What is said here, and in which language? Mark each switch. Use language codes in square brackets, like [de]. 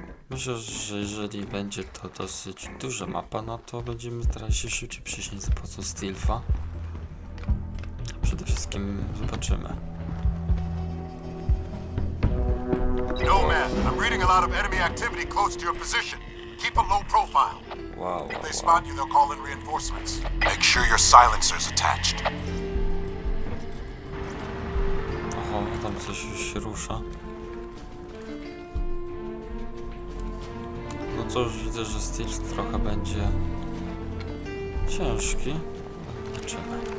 [pl] Myślę, że jeżeli będzie to dosyć duża mapa, no to będziemy starać się szybciej przyjść za pomocą Stealtha. Przede wszystkim zobaczymy. [en] No man, I'm reading a lot of enemy activity close to your position. Keep a low profile. Wow. If they spot you, they'll call in reinforcements. Make sure your silencer's attached. [pl] Oho, tam coś już się rusza. No cóż, widzę, że Stealth trochę będzie ciężki. Zobaczymy.